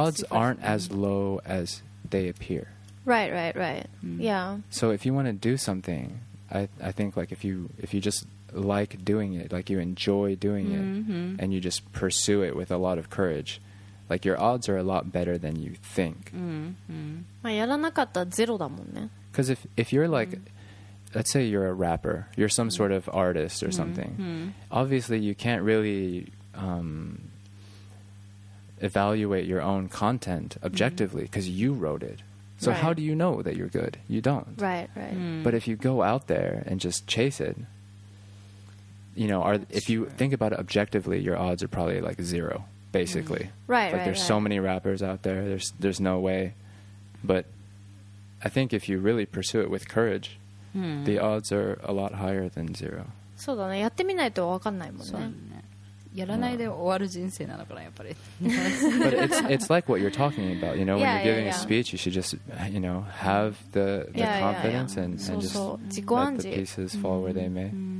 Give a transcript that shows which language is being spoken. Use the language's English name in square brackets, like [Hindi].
[English] Odds aren't as low as they appear. Right. Yeah. So if you want to do something, I think like if you just like doing it, like you enjoy doing it, and you just pursue it with a lot of courage, like your odds are a lot better than you think. [Japanese] まあやらなかったらゼロだもんね。 [English] Because if you're like, let's say you're a rapper, you're some sort of artist or something, obviously you can't really evaluate your own content objectively because you wrote it. So how do you know that you're good? You don't. Right. But if you go out there and just chase it, you know, you think about it objectively, your odds are probably like zero, basically. Right. So many rappers out there, there's no way. But I think if you really pursue it with courage, the odds are a lot higher than zero. [Japanese] そうだね。やってみないと分かんないもんね。そうね。やらないで終わる人生なのかなやっぱり。 [English] But it's like what you're talking about, you know, when you're giving a speech, you should just, you know, have the confidence and just let the pieces fall where they may.